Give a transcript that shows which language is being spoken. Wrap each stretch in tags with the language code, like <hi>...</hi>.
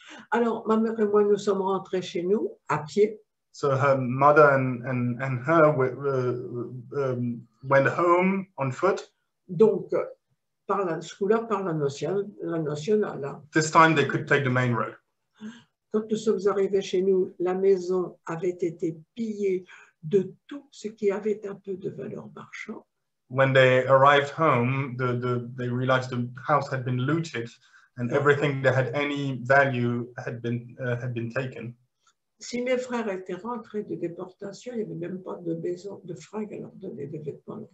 <fr>Alors, ma mère et moi, nous sommes rentrés chez nous à pied.</fr> <en>So her mother and her went home on foot.</en> <fr>Donc, par la scoula, par la nationale.</fr> <en>This time they could take the main road.</en> <fr>Quand nous sommes arrivés chez nous, la maison avait été pillée de tout ce qui avait un peu de valeur marchande.</fr> <en>When they arrived home, they realized the house had been looted and everything that had any value had been taken.</en> <fr>Si mes frères étaient rentrés de déportation, il n'y avait même pas de maison de fringues à leur donner des vêtements.</fr>